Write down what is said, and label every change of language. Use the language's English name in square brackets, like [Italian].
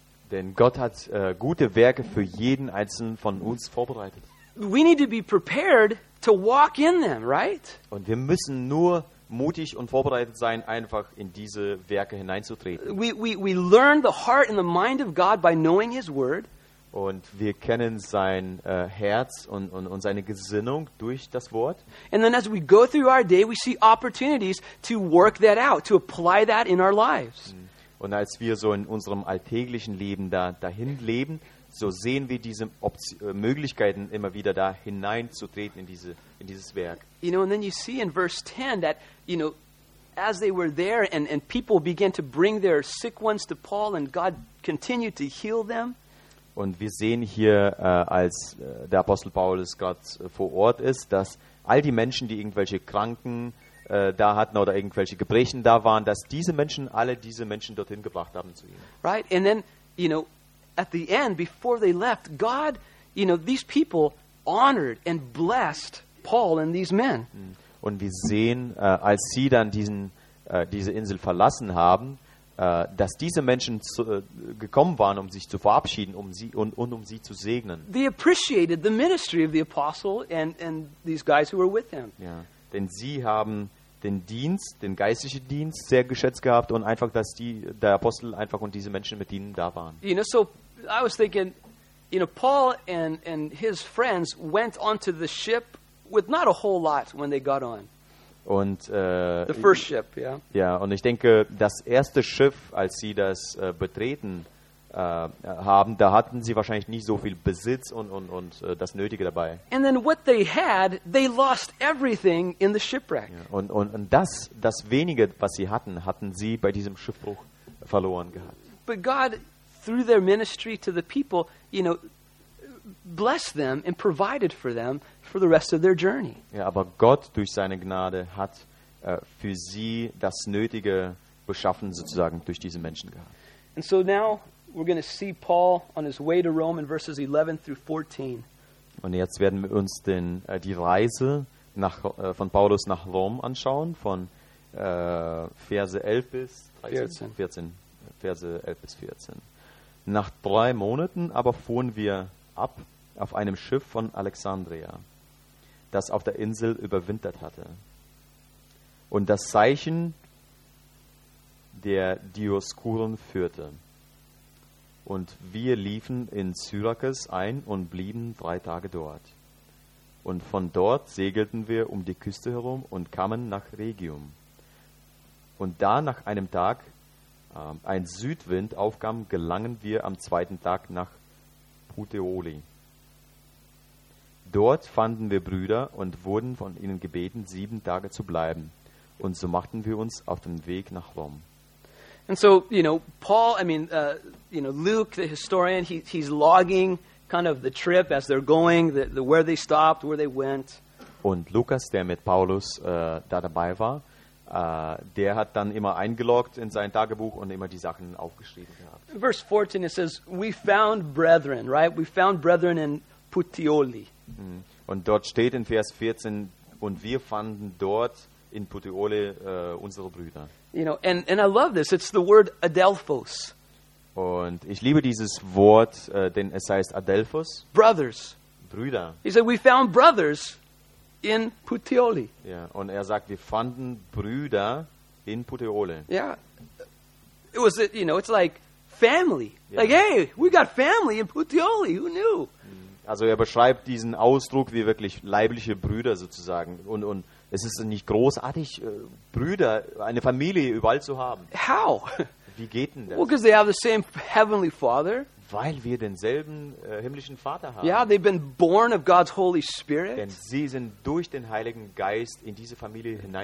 [German] Denn Gott hat gute Werke für jeden einzelnen von uns vorbereitet. [English] We need to be prepared to walk in them, right? [German] Und wir müssen nur mutig und vorbereitet sein, einfach in diese Werke hineinzutreten. [English] We learn the heart and the mind of God by knowing his word. [German] Und wir kennen sein Herz und seine Gesinnung durch das Wort. [English] And then as we go through our day, we see opportunities to work that out, to apply that in our lives. [German] Und als wir so in unserem alltäglichen Leben dahin leben, so sehen wir diese Möglichkeiten immer wieder da hineinzutreten in dieses Werk. [English] You know, and then you see in verse 10 that, you know, as they were there and people began to bring their sick ones to Paul and God continued to heal them. [German] Und wir sehen hier, als der Apostel Paulus gerade vor Ort ist, dass all die Menschen, die irgendwelche Kranken da hatten oder irgendwelche Gebrechen da waren, dass diese Menschen alle diese Menschen dorthin gebracht haben zu ihm. [English] Right, and then, you know, at the end, before they left, God, you know, these people honored and blessed Paul and these men. [German] Und wir sehen, als sie dann diese Insel verlassen haben, dass diese Menschen gekommen waren, um sich zu verabschieden, um sie zu segnen. [English] They appreciated the ministry of the apostle and these guys who were with him. [German] Ja, denn sie haben den Dienst, den geistlichen Dienst, sehr geschätzt gehabt und einfach, dass der Apostel einfach und diese Menschen mit ihnen da waren. [English] You know, so I was thinking, you know, Paul and his friends went onto the ship with not a whole lot when they got on. [German] Und [English] the first ship, yeah. [German] Ja, und ich denke, das erste Schiff, als sie das betreten haben, da hatten sie wahrscheinlich nicht so viel Besitz und das Nötige dabei. [English] And then what they had, they lost everything in the shipwreck. [German] Ja, und das wenige, was sie hatten, hatten sie bei diesem Schiffbruch verloren gehabt. [English] But God, through their ministry to the people, you know, blessed them and provided for them for the rest of their journey. [German] Ja, aber Gott durch seine Gnade hat für sie das Nötige beschaffen, sozusagen durch diese Menschen gehabt. [English] And so now we're going to see Paul on his way to Rome in verses 11 through 14. [German] Und jetzt werden wir uns die Reise von Paulus nach Rom anschauen, von Verse 11 bis 14. Verse 11 bis 14. Nach 3 Monaten aber fuhren wir ab auf einem Schiff von Alexandria, das auf der Insel überwintert hatte. Und das Zeichen der Dioskuren führte. Und wir liefen in Syrakus ein und blieben 3 Tage dort. Und von dort segelten wir um die Küste herum und kamen nach Regium. Und da nach einem Tag ein Südwind aufkam, gelangen wir am zweiten Tag nach Puteoli. Dort fanden wir Brüder und wurden von ihnen gebeten, 7 Tage zu bleiben. Und so machten wir uns auf den Weg nach Rom. [English] And so, you know, Paul, I mean, you know, Luke, the historian, he's logging kind of the trip as they're going, the where they stopped, where they went. [German] Und Lukas, der mit Paulus da dabei war, der hat dann immer eingeloggt in sein Tagebuch und immer die Sachen aufgeschrieben gehabt. [English] Verse 14, it says, we found brethren, right? We found brethren in Puteoli. [German] Und dort steht in Vers 14, und wir fanden dort in Puteoli unsere Brüder. [English] You know, and I love this. It's the word Adelphos. [German] Und ich liebe dieses Wort, denn es heißt Adelphos. [English] Brothers. [German] Brüder. [English] He said, we found brothers in Puteoli. [German] Ja, und er sagt, wir fanden Brüder in Puteoli. Ja. [English] It was, you know, it's like family. Yeah. Like, hey, we got family in Puteoli. Who knew? [German] Also er beschreibt diesen Ausdruck wie wirklich leibliche Brüder sozusagen. Und es ist nicht großartig, Brüder, eine Familie überall zu haben. [English] How? [German] Wie geht denn das? [English] Well, because they have the same heavenly father. [German] Weil wir denselben himmlischen Vater haben. [English] Yeah, they've been born of God's Holy Spirit. [German] Denn sie sind durch den Heiligen Geist in diese Familie hineingeboren.